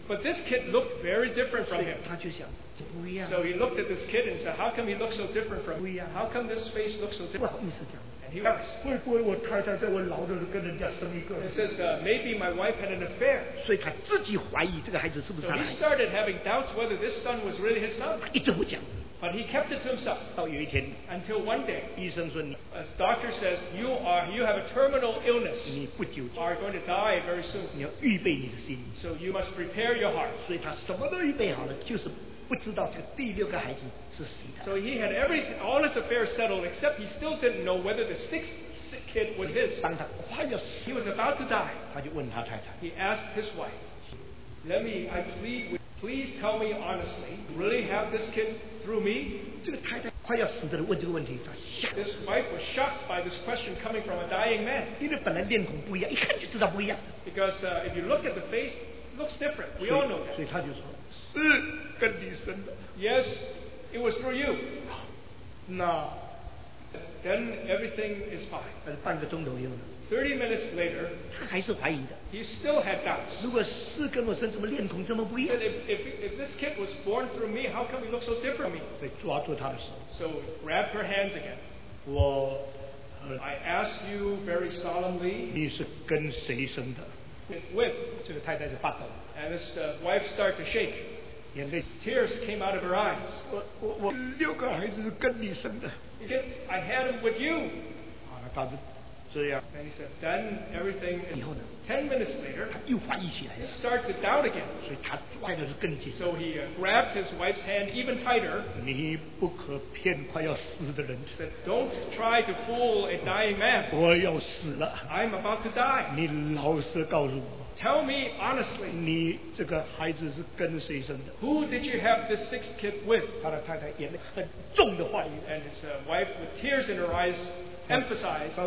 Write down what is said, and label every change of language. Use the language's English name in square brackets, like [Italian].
[English] But this kid looked very different from him. [Chinese] 他就想怎么不一样。 [English] So he looked at this kid and said, "How come he looks so different from me? How come this face looks so different?" [Chinese] 不好意思讲。 [English] And he asked, [Chinese] 会不会我太太在我老的时候跟人家生一个 [English] ？He says, "Maybe my wife had an affair." [Chinese] 所以他自己怀疑这个孩子是不是他的。 [English] So he started having doubts whether this son was really his son. [Chinese] 一直不讲。 [English] But he kept it to himself. [Chinese] 到有一天 [English] ，until one day， [Chinese] 医生说你 [English] ，as doctor says， you have a terminal illness， [Chinese] 你不久 [English] are going to die very soon。 [Chinese] 你要预备你的心。 [English] So you must prepare your heart。 [Chinese] 所以他什么都预备好了，就是不知道这个第六个孩子是谁的。 [English] So he had everything, all his affairs settled, except he still didn't know whether the sixth kid was his。 [Chinese] 当他快要死 [English] ，he was about to die。 [Chinese] 他就问他太太。 [English] He asked his wife， "Let me, I plead with." Please tell me honestly, really have this kid through me? [Chinese] 这个太太快要死的人问这个问题，她吓。 [English] This wife was shocked by this question coming from a dying man. 因为本来面孔不一样，一看就知道不一样。 Because if you look at the face, it looks different. We all know that. [Chinese] 所以她就说，是跟你生的。 [English] Yes, it was through you. No. Then everything is fine. [Chinese] 但是半个钟头以后呢？ [English] 30 minutes later, [Chinese] 他还是怀疑的。 [English] He still had doubts. [Chinese] 如果是跟我生，怎么脸孔这么不一样 [English] ？Said if this kid was born through me, how come he looks so different from me? [Chinese] 所以抓住他的手。 [English] So grab her hands again. [Chinese] 我 [English] I ask you very solemnly. [Chinese] 你是跟谁生的 [English] ？With [Chinese] 这个太太就发抖。 [English] And his wife started to shake. [Chinese] 眼泪 [English] tears came out of her eyes. [Chinese] 我六个孩子是跟你生的。 [English] I had him with you. [Chinese] 啊，他就。 [English] And he said, then everything. [Chinese] 以后呢 [English] ？10 minutes later, [Chinese] 他又怀疑起来了。 [English] He started to doubt again. [Chinese] 所以他怀的是更紧。 [English] So he grabbed his wife's hand even tighter. [Chinese] 你不可骗快要死的人。 [English] Said, don't try to fool a dying man. [Chinese] 我要死了。 [English] I'm about to die. [Chinese] 你老实告诉我。 [English] Tell me honestly. [Chinese] 你这个孩子是跟谁生的 [English] ？Who did you have this sixth kid with? [Chinese] 他的太太眼泪很重的怀疑。 [English] And his wife with tears in her eyes emphasized.